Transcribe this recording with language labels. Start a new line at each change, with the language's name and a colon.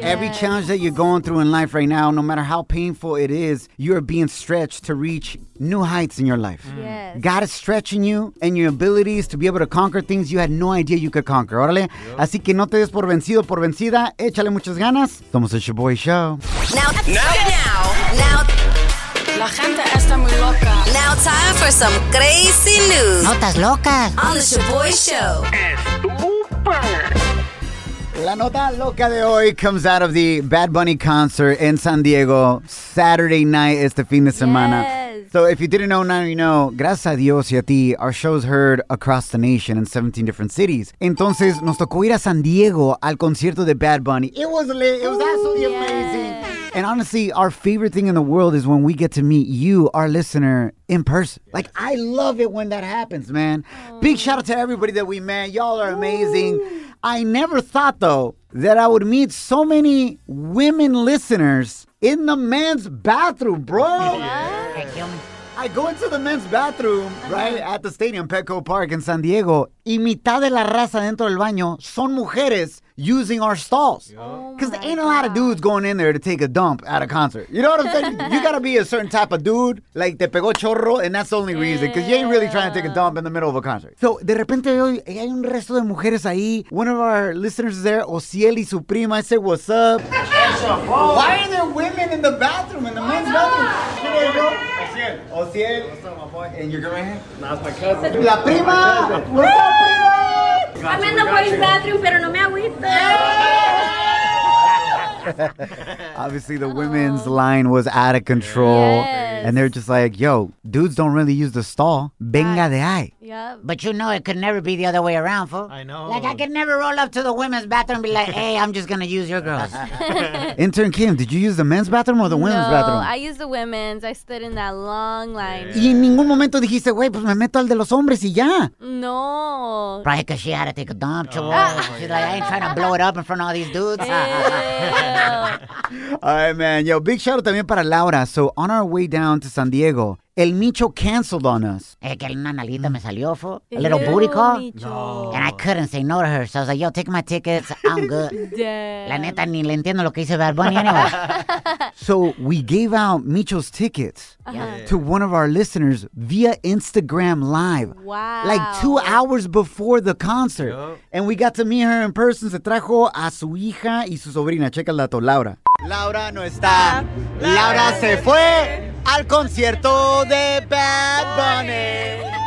English: Every challenge that you're going through in life right now, no matter how painful it is, you are being stretched to reach new heights in your life. Yes. God is stretching you and your abilities to be able to conquer things you had no idea you could conquer.
Spanish: Órale. Yep. Así que no te des por vencido, por vencida. Échale muchas ganas. Somos el Shaboy Show.
English: Now.
Spanish: La gente está muy loca.
English: Now time for some crazy news.
Spanish: Notas locas.
English: On the Shaboy Show.
Spanish: La nota loca de hoy
English: comes out of the Bad Bunny concert in San Diego. Saturday night is the
Spanish: fin de semana.
English: Yes. So if you didn't know, now you know.
Spanish: Gracias a Dios y a ti,
English: our show's heard across the nation in 17 different cities.
Spanish: Entonces, nos tocó ir a San Diego al concierto de Bad Bunny.
English: It was lit. It was absolutely amazing. And honestly, our favorite thing in the world is when we get to meet you, our listener, in person. Yes. Like, I love it when that happens, man. Aww. Big shout out to everybody that we met. Y'all are amazing. Ooh. I never thought, though, that I would meet so many women listeners in the men's bathroom, bro. Yeah. I go into the men's bathroom, right, at the stadium, Petco Park in San Diego,
Spanish: y mitad de la raza dentro del baño son mujeres
English: using our stalls. Because there ain't a lot of dudes going in there to take a dump at a concert. You know what I'm saying? You got to be a certain type of dude, like
Spanish: te pegó chorro,
English: and that's the only reason, because you ain't really trying to take a dump in the middle of a concert.
Spanish: So, de repente, hay un resto de mujeres ahí.
English: One of our listeners is there, Ociel y su prima. I said, what's up? Why are there women in the bathroom, in the men's bathroom? Here you go. Ociel, what's up, my boy? And you're going right here? No, that's my cousin.
Spanish: La prima!
English: What's up, prima? I'm in the boys' bathroom,
Spanish: pero no me agüito.
English: Obviously, the women's line was out of control. Yes. And they're just like, yo, dudes don't really use the stall.
Spanish: Venga de ahí.
English: Yep. But you know, it could never be the other way around, fool. I know. Like, I could never roll up to the women's bathroom and be like, hey, I'm just going to use your girls. Intern Kim, did you use the men's bathroom or the women's bathroom? No, I used the women's. I stood in that long line. Yeah.
Spanish: Y en ningún momento dijiste, güey, pues me meto al de los hombres y ya.
English: No. Probably because she had to take a dump, chavo. She's like, I ain't trying to blow it up in front of all these dudes. All right, man. Yo, big shout out
Spanish: también para
English: Laura. So, on our way down to San Diego, El Micho canceled on us.
Spanish: Que una nalita me salió, fo.
English: A little booty call. No. And I couldn't say no to her. So, I was like, yo, take my tickets. I'm good.
Spanish: La neta, ni le entiendo lo que hice Bad Bunny anyway.
English: So, we gave out Micho's tickets to one of our listeners via Instagram Live. Wow. Like 2 hours before the concert. Yep. And we got to meet her in person.
Spanish: Se trajo a su hija y su sobrina. Checa el dato, Laura. Laura no está. Laura se fue al concierto de Bad Bunny.